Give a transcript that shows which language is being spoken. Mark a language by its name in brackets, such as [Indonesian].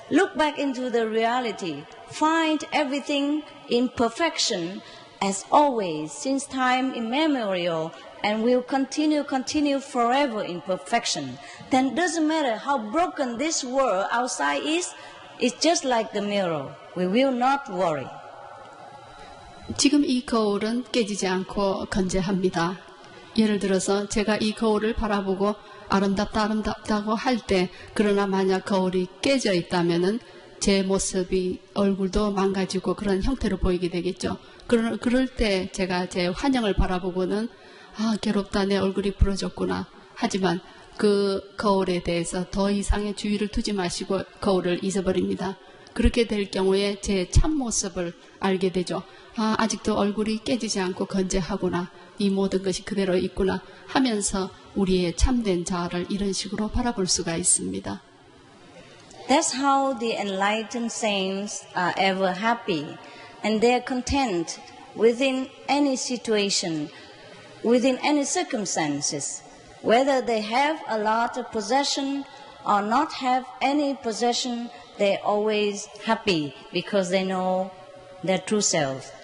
[English] Look back into the reality. Find everything in perfection as always, since time immemorial, and will continue forever in perfection. Then it doesn't matter how broken this world outside is, it's just like the mirror. We will not worry. [Korean] 지금 이 거울은 깨지지 않고 건재합니다. 예를 들어서 제가 이 거울을 바라보고 아름답다 아름답다고 할 때, 그러나 만약 거울이 깨져 있다면은 제 모습이 얼굴도 망가지고 그런 형태로 보이게 되겠죠. 그럴 때 제가 제 환영을 바라보고는 아 괴롭다 내 얼굴이 부러졌구나 하지만 그 거울에 대해서 더 이상의 주의를 두지 마시고 거울을 잊어버립니다. 그렇게 될 경우에 제 참모습을 알게 되죠. 아, 아직도 얼굴이 깨지지 않고 건재하구나. 이 모든 것이 그대로 있구나 하면서 우리의 참된 자아를 이런 식으로 바라볼 수가 있습니다. [English] That's how the enlightened saints are ever happy and they are content within any situation, within any circumstances, whether they have a lot of possession or not have any possession, they're always happy because they know their true self.